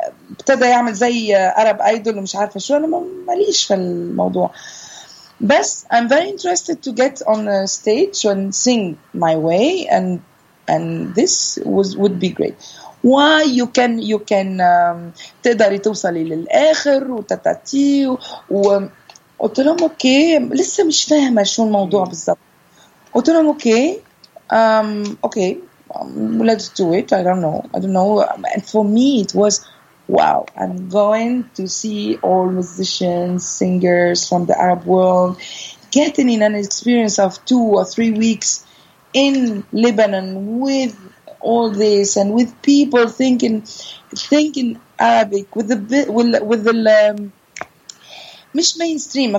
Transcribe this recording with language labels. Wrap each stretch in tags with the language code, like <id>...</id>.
<ar>ابتدى يعمل زي عرب ايدول ومش عارفه شو، انا ماليش في الموضوع.</ar> <en>بس I'm very interested to get on a stage and sing my way and this would be great. Why you can</en> <ar>تقدري توصلي للآخر وتتاتي. وقلت لهم أوكي، لسه مش فاهمة شو الموضوع بالضبط. قلت لهم أوكي أوكي</ar> <en>let's do it. I don't know. And for me it was wow, I'm going to see all musicians, singers from the Arab world, getting in an experience of 2 or 3 weeks in Lebanon with all this and with people thinking Arabic with the مش mainstream.</en>